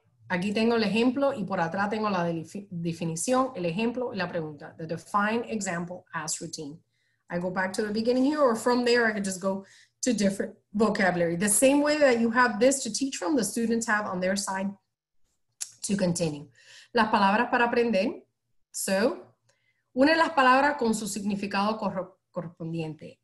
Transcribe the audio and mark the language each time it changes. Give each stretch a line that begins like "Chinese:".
Spanish: Aquí tengo el ejemplo y por atrás tengo la definición, el ejemplo y la pregunta.
English: The defined example as routine. I go back to the beginning here, or from there I could just go to different vocabulary. The same way that you have this to teach from, the students have on their side to continue.
Spanish: Las palabras para aprender. So, une las palabras con su significado correspondiente.